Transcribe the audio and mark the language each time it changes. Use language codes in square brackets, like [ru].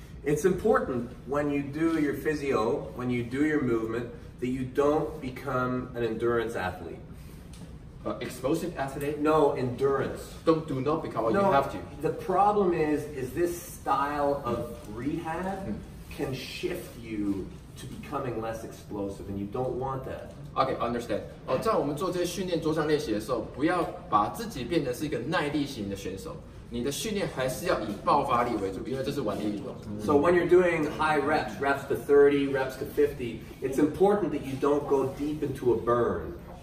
[en] It's important when you do your physio, when you do your movement, that you don't become an endurance athlete. Explosive athlete? No, endurance. Do not become what you have to. The problem is this style of rehab can shift you to becoming less explosive, and you don't want that. Okay, understand. [zh] 在我们做这些训练桌上练习的时候，不要把自己变成是一个耐力型的选手。 [en] So when you're doing high reps, reps to 30, reps to 50, it's important that you don't go deep into a burn.